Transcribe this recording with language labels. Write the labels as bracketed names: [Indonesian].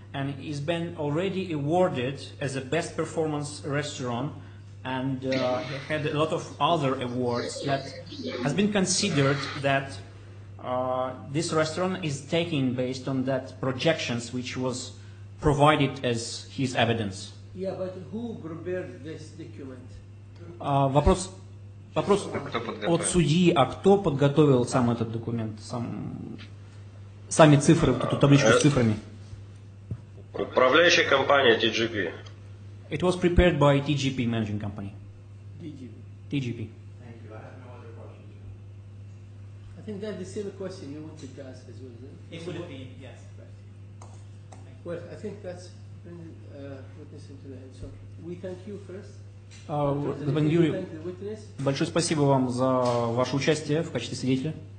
[English] and it's been already awarded as a best performance restaurant, and had a lot of other awards that has been considered that this restaurant is taking based on that projections which was provided as his evidence. Yeah, but who prepared this document? [Russian] Вопрос от судьи, а кто подготовил сам этот документ, сами цифры, эту табличку с цифрами? Управляющая компания TGP. [English] It was prepared by TGP managing company. TGP. I think that's the same question you wanted to ask as well, isn't it? It would have been, yes. Well, I think that's bringing witness into the end. So, we thank you first. [Russian] Господин Юрий, большое спасибо вам за ваше участие в качестве свидетеля.